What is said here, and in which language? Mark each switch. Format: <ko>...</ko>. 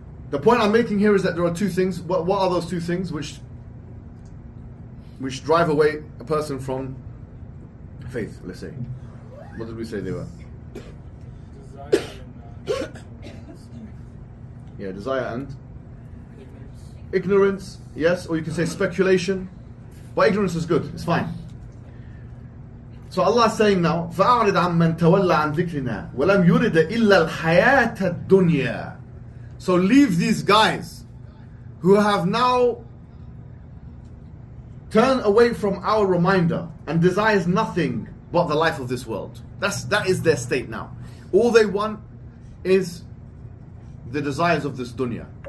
<en>The point I'm making here is that there are two things. What are those two things which drive away a person from faith, let's say? What did we say they were? Desire and? Ignorance. Ignorance, yes. Or you can say speculation. But ignorance is good. It's fine. So Allah is saying now,</en> <ar>فَأَعْرِضْ عَمَّنْ تَوَلَّ عَنْ ذِكْرِنَا وَلَمْ يُرِدَ إِلَّا الْحَيَاةَ الدُّنْيَا.</ar> <en>So leave these guys who have now turned away from our reminder and desires nothing but the life of this world. That is their state now. All they want is the desires of this dunya.</en>